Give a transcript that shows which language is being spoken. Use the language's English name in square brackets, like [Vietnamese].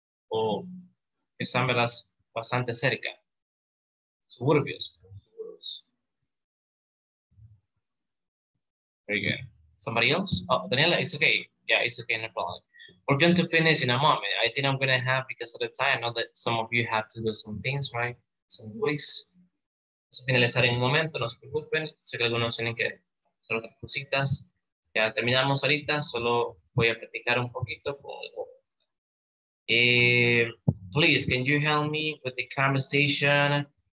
[Spanish] O están, ¿verdad? Bastante cerca. Suburbios. [English] Very good. Somebody else? Oh, Daniela, it's okay. Yeah, it's okay, no problem. We're going to finish in a moment. I think I'm going to have, because of the time, I know that some of you have to do some things, right? Some quiz. [Spanish] Se finalizará en un momento, no se preocupen. Sé que algunos tienen que hacer otras cositas. Ya terminamos ahorita, solo voy a practicar un poquito. [English] Please, can you help me with the conversation?